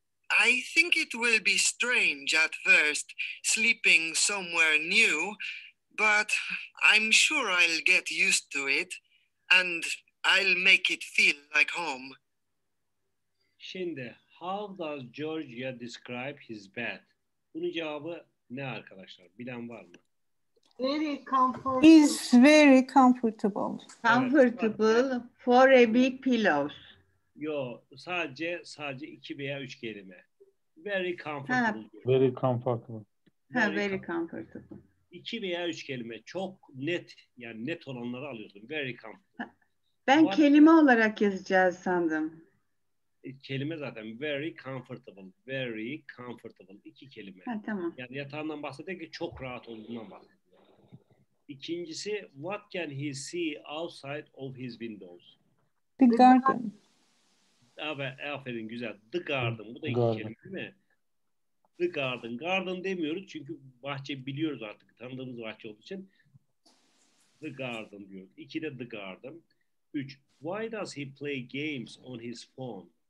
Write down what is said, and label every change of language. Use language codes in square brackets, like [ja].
[en] I think it will be strange at first, sleeping somewhere new, but I'm sure I'll get used to it, and I'll make it feel like home. [tr] Şimdi, [en] how does Georgia describe his bed? [tr] Bunun cevabı ne arkadaşlar? Bilen var mı? [en] Very comfortable. Is very comfortable. Comfortable for a big pillows. [tr] Yo, sadece 2 veya 3 kelime. [en] Very comfortable. Ha. Very comfortable. Very comfortable. [tr] 2 veya 3 kelime. Çok net, yani net olanları alıyordum. [en] Very comfortable. [tr] Ben [en] what? [tr] Kelime olarak yazacağız sandım. Kelime zaten [en] very comfortable, very comfortable. [tr] 2 kelime. Ha, tamam. Yani yatağından bahsederken ki çok rahat olduğundan bahsediyor. İkincisi, [en] what can he see outside of his windows? The garden. [tr] Aferin, güzel. [en] The garden. [tr] Bu da 2 kelime değil mi? The garden. Garden demiyoruz çünkü bahçe biliyoruz artık. Tanıdığımız bahçe olduğu için. [en] The garden [tr] diyoruz. 2 de the garden. 3. [en] Why does he play games on his phone?